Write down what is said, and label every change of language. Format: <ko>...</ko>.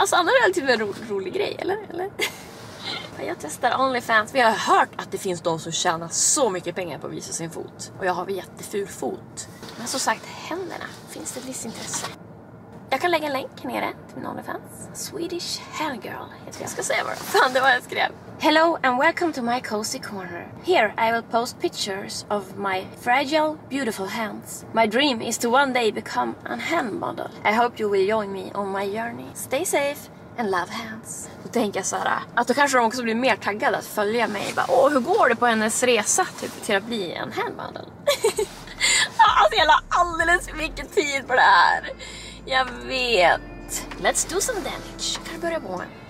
<sv>Alltså annars är det typ en rolig grej, eller? Jag testar OnlyFans. Vi har hört att det finns de som tjänar så mycket pengar på att visa sin fot. Och jag har en jätteful fot. Men som sagt, händerna. Finns det ett visst intresse? Jag kan lägga en länk nere till min OnlyFans. Swedish Hair Girl heter jag. Ska säga vad fan det var jag skrev.</sv> <en>Hello and welcome to my cozy corner. Here I will post pictures of my fragile, beautiful hands. My dream is to one day become a hand model. I hope you will join me on my journey. Stay safe and love hands.</en> <sv>Då tänker jag såhär, att då kanske de också blir mer taggade att följa mig. Bara, åh, hur går det på hennes resa typ, till att bli en hand model? Alltså jag la alldeles mycket tid på det här. Jag vet.</sv> <en>Let's do some damage.</en> <sv>Kan du börja på mig?</sv>